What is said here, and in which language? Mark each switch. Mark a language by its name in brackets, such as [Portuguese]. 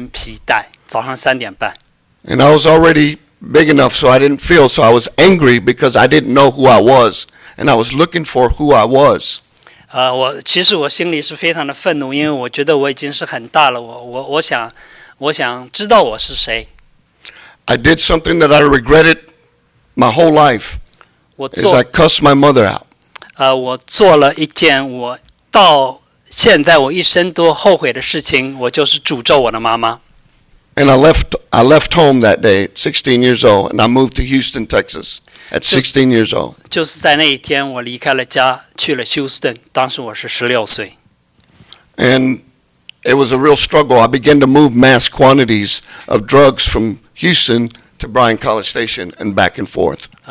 [Chinese] 当我走进家的时候，妈妈在等我，手里拿着一根很长的一根皮带。早上3点半。 [English] And I was already big enough so I didn't feel, so I was angry because I didn't know who I was and I was looking for who I was. [Chinese] 其实我心里是非常的愤怒，因为我觉得我已经是很大了，我想知道我是谁。 [English] I did something that I regretted my whole life, is I cussed my mother out. [Chinese] 我做了一件我到现在我一生都后悔的事情，我就是诅咒我的妈妈。 [English] And I left home that day, 16 years old, and I moved to Houston, Texas, at 16 years old. [Chinese] 就是在那一天，我离开了家，去了休斯顿。当时我是16岁。 [English] And it was a real struggle. I began to move mass quantities of drugs from Houston to Bryan College Station and back and forth.